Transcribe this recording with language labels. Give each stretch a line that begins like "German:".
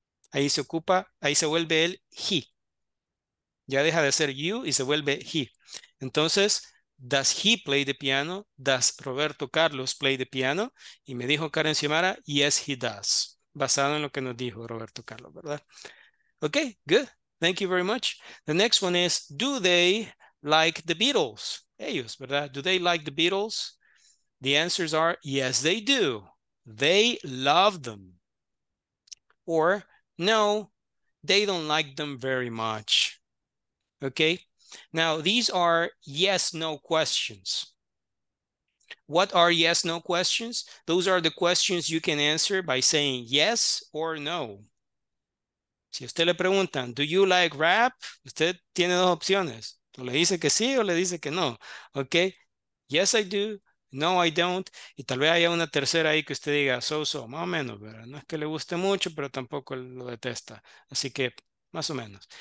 Spanish: Ahí se ocupa, ahí se vuelve el he. Ya deja de ser you y se vuelve he. Entonces,
English: does he play the piano? Does Roberto Carlos play the piano?
Spanish: Y me dijo
English: Karen Xiomara, yes, he does.
Spanish: Basado en lo que nos dijo Roberto Carlos, ¿verdad?
English: Okay, good. Thank you very much. The next one is, do they like the Beatles?
Spanish: Ellos, ¿verdad?
English: Do they like the Beatles? The answers are, yes, they do. They love them. Or, no, they don't like them very much. Okay, now these are yes, no questions. What are yes, no questions? Those are the questions you can answer by saying yes or no.
Spanish: Si usted le preguntan,
English: do you like rap?
Spanish: Usted tiene dos opciones. ¿O le dice que sí o le dice que no? Ok.
English: Yes, I do. No, I don't.
Spanish: Y tal vez haya una tercera ahí que usted diga,
English: so-so,
Spanish: más o menos, ¿verdad? No es que le guste mucho, pero tampoco lo detesta. Así que, más o menos.